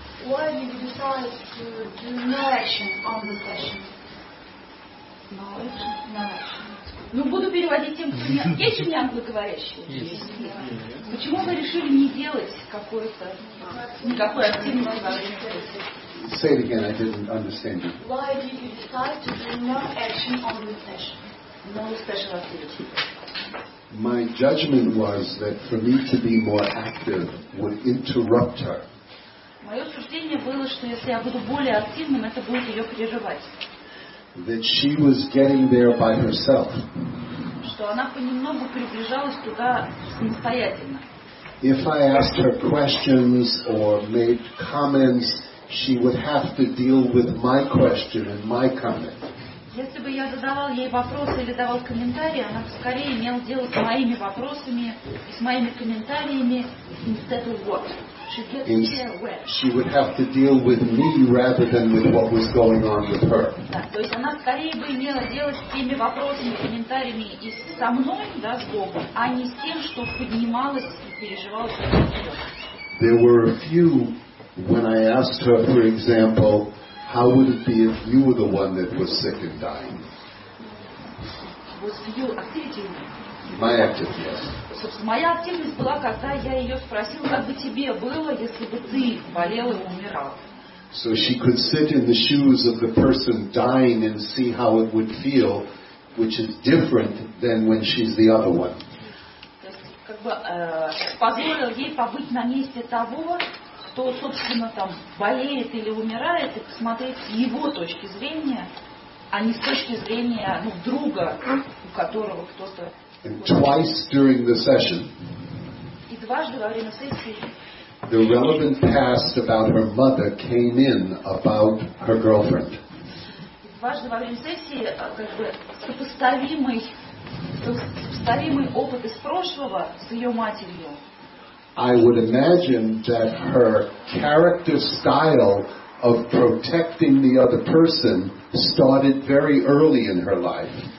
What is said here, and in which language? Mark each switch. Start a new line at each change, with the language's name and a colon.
English: Why did you decide to do narration on the session? Narration.
Russian: Ну, буду переводить тем, кто не... Есть у меня англоговорящие? Есть. Почему вы решили не делать какой-то... Никакой активный
English: narration? Say it again, I didn't understand you. Why did you decide to do narration on the session? No special activity. My judgment was that for me to be more active would interrupt her.
Russian: Моё суждение было, что если я буду более активным, это будет её прерывать.
English: That she was getting there by herself.
Russian: Что она понемногу приближалась туда самостоятельно.
English: If I asked her questions or made comments, she would have to deal with my question and my comment.
Russian: Если бы я задавал ей вопросы или давал комментарии, она бы скорее имела дело с моими вопросами и с моими комментариями
English: instead of what. She would have to deal with me rather than with what was going on with her.
Russian: То есть она скорее бы имела дело с теми вопросами, комментариями и со мной, да, с Богом, а не с тем, что поднималось и переживалось.
English: There were a few when I asked her, for example, how would it be if you were the one that was sick and dying? Was your activity? My activity, yes.
Russian: Собственно, моя активность была, когда я ее спросил, как бы тебе было, если бы ты болел и умирал.
English: So she could sit in the shoes of the person dying and see how it would feel, which is different than when she's the other one.
Russian: То есть, как бы, позволил ей побыть на месте того, кто, собственно, там болеет или умирает, и посмотреть с его точки зрения, а не с точки зрения, ну, друга, у которого кто-то...
English: And twice during the session,
Russian: и дважды во время сессии,
English: the relevant past about her mother came in about her girlfriend.
Russian: И дважды во время сессии, как бы, сопоставимый опыт из прошлого с ее матерью.
English: I would imagine that her character style of protecting the other person started very early in her life.